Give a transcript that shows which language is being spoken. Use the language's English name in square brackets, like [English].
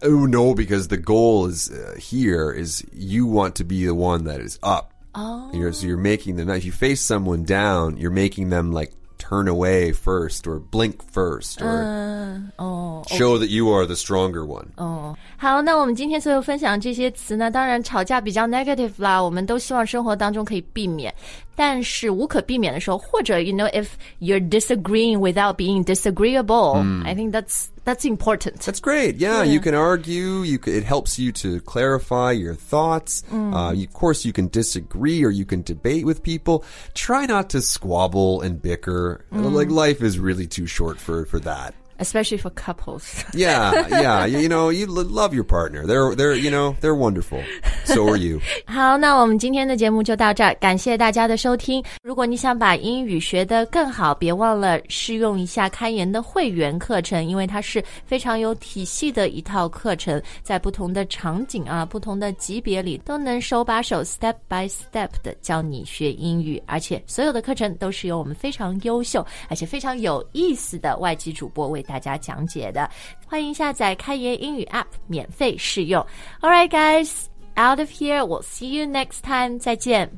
[English] Oh, no, because the goal is、here is you want to be the one that is up. Oh. You're, so you're making them, if you face someone down, you're making them like turn away first or blink first or、show、okay. that you are the stronger one. Oh. [Chinese] 好，那我们今天所有分享这些词呢，当然吵架比较 negative 啦，我们都希望生活当中可以避免。但是无可避免的时候，或者 [English] you know, if you're disagreeing without being disagreeable,、I think that's important. That's great. Yeah, you can argue. You can, it helps you to clarify your thoughts.、Of course, you can disagree or you can debate with people. Try not to squabble and bicker.、Like, life is really too short for that. Especially for couples. Yeah, yeah. You know, you love your partner. They're, you know, they're wonderful. So are you. [Chinese] 好，那我们今天的节目就到这儿。感谢大家的收听。如果你想把英语学得更好，别忘了试用一下开言的会员课程，因为它是非常有体系的一套课程，在不同的场景啊，不同的级别里都能手把手 [English] step by step [Chinese] 的教你学英语。而且所有的课程都是由我们非常优秀而且非常有意思的外籍主播为大家讲解的，欢迎下载开言英语 APP 免费试用。 [English] Alright guys, out of here, we'll see you next time. [Chinese] 再见。